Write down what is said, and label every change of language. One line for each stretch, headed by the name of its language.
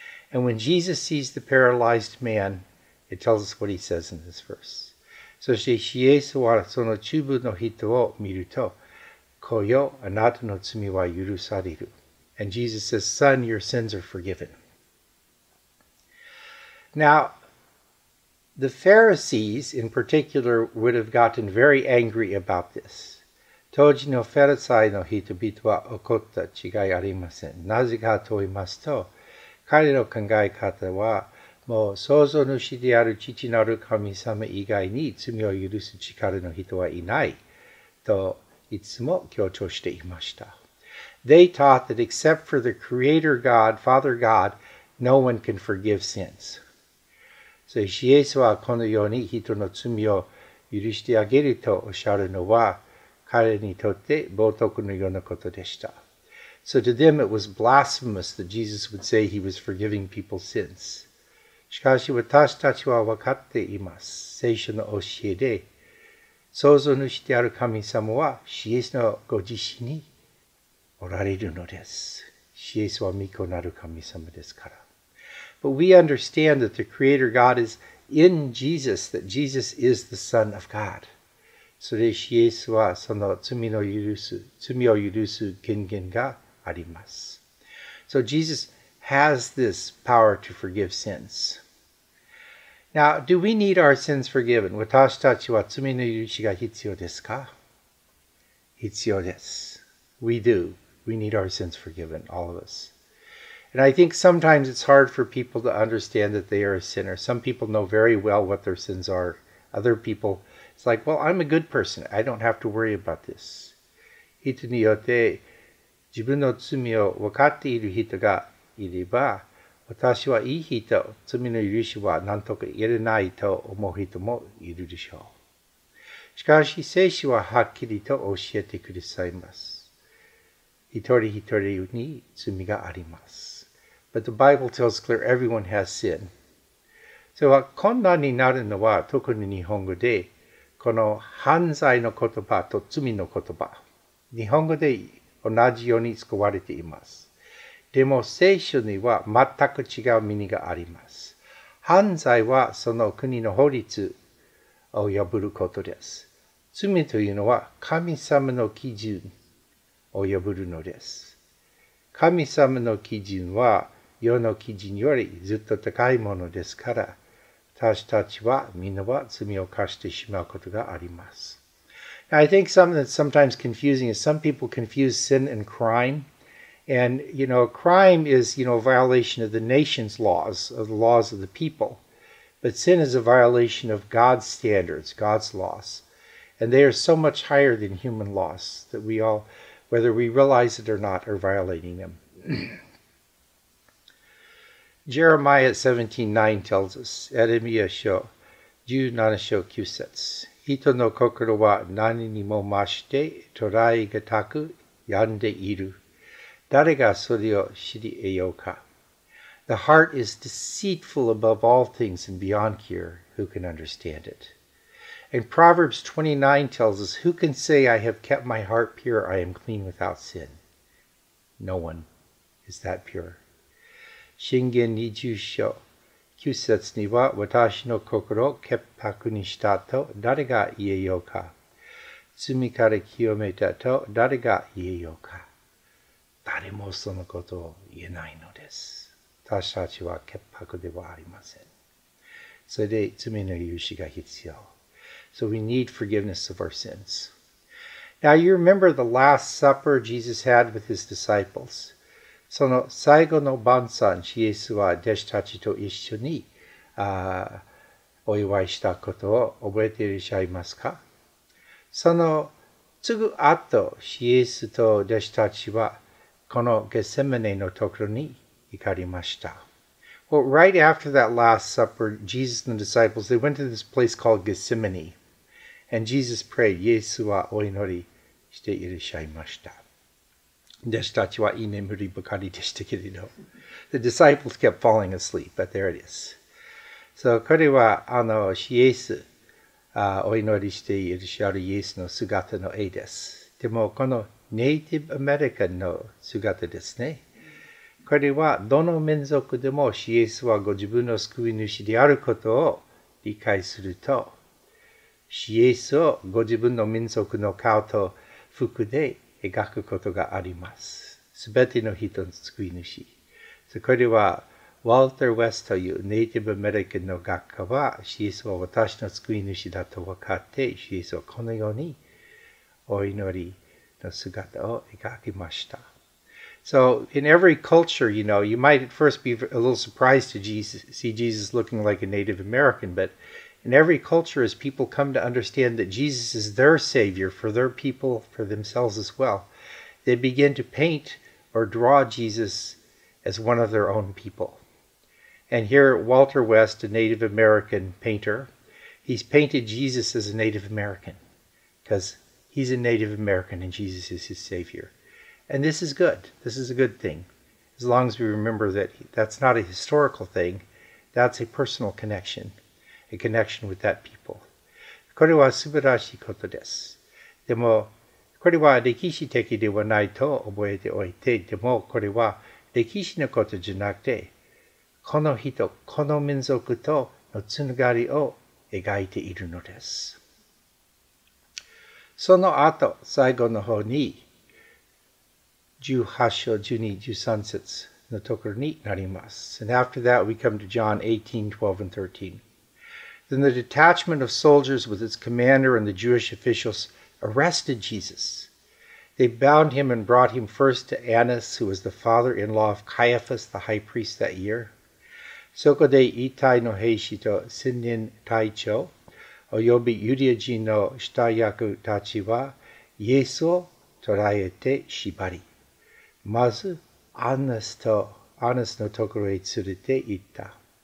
English: And when Jesus sees the paralyzed man, it tells us what he says in this verse.
Japanese: そしてイエスはその中部の人を見ると、こよ、あなたの罪は許される。
English: And Jesus says, Son, your sins are forgiven. Now, the Pharisees in particular would have gotten very angry about this.
Japanese: 当時のファリサイの人々は怒った違いありません。なぜかと言いますと、彼の考え方は、もう創造主である父なる神様以外に罪を許す力の人はいないといつも強調していました。
English: They taught that except for the Creator God, Father God, no one can forgive sins.
Japanese: そしてイエスはこのように人の罪を許してあげるとおっしゃるのは、彼にとって冒涜のようなことでした。
English: So to them it was blasphemous that Jesus would say he was forgiving people's sins.
Japanese: しかし私たちは分かっています。聖書の教えで、創造主である神様はイエスのご自身におられるのです。イエスは御子なる神様ですから。
English: But we understand that the Creator God is in Jesus, that Jesus is the Son of God.
Japanese: それイエスはその罪を許す権限があります。
English: So Jesus has this power to forgive sins. Now, do we need our sins forgiven?
Japanese: 私たちは罪の許しが必要ですか？必要です。
English: We do. We need our sins forgiven, all of us. And I think sometimes it's hard for people to understand that they are a sinner. Some people know very well what their sins are. Other peopleIt's like, well, I'm a good person. I don't have to worry about this.
Japanese: 人によって自分の罪を分かっている人がいれば、私はいい人、罪の許しは何とか言えないと思う人もいるでしょう。しかし、聖書ははっきりと教えてくださいます。一人一人に罪があります。
English: But the Bible tells clear everyone has sin.
Japanese: So, こんなになるのは特に日本語で、この犯罪の言葉と罪の言葉、日本語で同じように使われています。でも聖書には全く違う意味があります。犯罪はその国の法律を破ることです。罪というのは神様の基準及ぶのです。神様の基準は世の基準よりずっと高いものですから、私たちはみんなは罪を犯してしまうことがあります。
English: Now, I think something that's sometimes confusing is some people confuse sin and crime. And, you know, crime is, you know, a violation of the nation's laws, of the laws of the people. But sin is a violation of God's standards, God's laws. And they are so much higher than human laws that we all, whether we realize it or not, are violating them. Jeremiah 17:9 tells us,
Japanese: エレミア書17章9節。人の心は何にも増して捉えがたく病んでいる。誰がそれを知り得ようか。
English: The heart is deceitful above all things and beyond cure. Who can understand it? And Proverbs 29 tells us, Who can say, I have kept my heart pure, I am clean without sin? No one is that pure.
Japanese: 箴言20章9節には私の心を潔白にしたと誰が言えようか。罪から清めたと誰が言えようか。誰もそのことを言えないのです。私たちは潔白ではありません。それで罪の許しが必要。
English: So we need forgiveness of our sins. Now you remember the last supper Jesus had with his disciples.
Japanese: その最後の晩餐、イエスは弟子たちと一緒にお祝いしたことを覚えていらっしゃいますか？そのすぐ後、イエスと弟子たちはこのゲセマネのところに行かれました。
English: Well, right after that last supper, Jesus and the disciples, they went to this place called Gethsemane. And Jesus prayed,
Japanese: Yesu wa o inori shite irishaimashita. 弟子たちは居眠りばかりでしたけれど。
English: The disciples kept falling asleep, but there it is.
Japanese: So, これは、Yesu, お祈りしていらっしゃるイエスの姿の絵です。でも、このネイティブアメリカンの姿ですね。これはどの民族でもイエスはご自分の救い主であることを理解すると、イエスをご自分の民族の顔と服で描くことがあります。すべての人の救い主。そこでは、ウォルター・ウェストというネイティブアメリカンの学科は、イエスは私の救い主だと分かって、イエスはこのようにお祈りの姿を描きました。
English: So in every culture, you know, you might at first be a little surprised to see Jesus looking like a Native American, but in every culture, as people come to understand that Jesus is their savior for their people, for themselves as well, they begin to paint or draw Jesus as one of their own people. And here, Walter West, a Native American painter, he's painted Jesus as a Native American because he's a Native American and Jesus is his savior. And this is good. This is a good thing. As long as we remember that that's not a historical thing. That's a personal connection. A connection with that people.
Japanese: これは素晴らしいことです。でも、これは歴史的ではないと覚えておいて、でも、これは歴史のことじゃなくて、この人、この民族とのつながりを描いているのです。その後、最後の方に、18章12、13節のところになります。
English: And after that, we come to John 18, 12, and 13. Then the detachment of soldiers with its commander and the Jewish officials arrested Jesus. They bound him and brought him first to Annas, who was the father-in-law of Caiaphas, the high priest that year.
Japanese: そこで一体の兵士と千人隊長、およびユダヤ人の下役たちは、イエスを捕らえて縛り。まず、アナスのところへ連れて行った。